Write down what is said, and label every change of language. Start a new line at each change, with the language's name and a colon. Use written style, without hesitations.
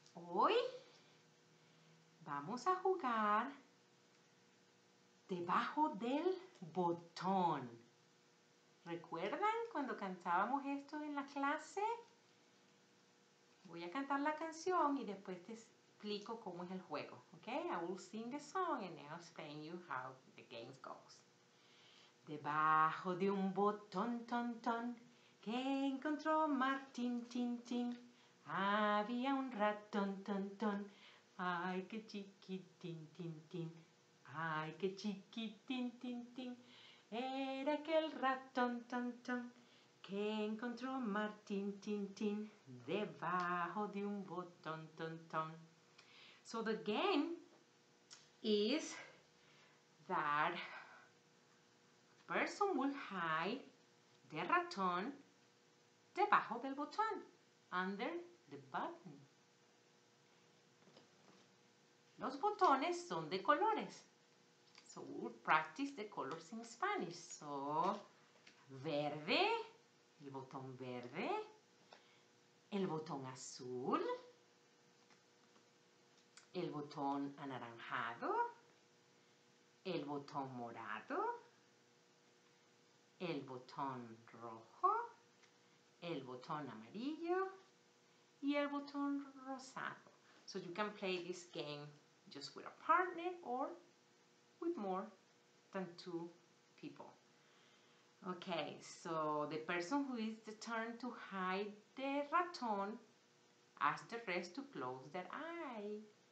Spanish: Hoy vamos a jugar debajo del botón. ¿Recuerdan cuando cantábamos esto en la clase? Voy a cantar la canción y después te explico cómo es el juego, ¿ok?
English: I will sing the song and I'll explain you how the game goes.
Spanish: Debajo de un botón, ton, ton, que encontró Martín, tin, tin. Había un ratón, ton, ton. Ay, qué chiquitín, tin, tin. Ay, qué chiquitín, tin, tin. Era aquel ratón, ton, ton, que encontró Martín, tin, tin. Debajo de un botón, ton, ton.
English: So the game is that person will hide the
Spanish: ratón debajo del botón,
English: under the button.
Spanish: Los botones son de colores.
English: So we'll practice the colors in Spanish.
Spanish: So, verde, el botón verde, el botón azul. El botón anaranjado, el botón morado, el botón rojo, el botón amarillo y el botón rosado.
English: So you can play this game just with a partner or with more than two people. Okay, so the person who is determined to hide the ratón asks the rest to close their eyes.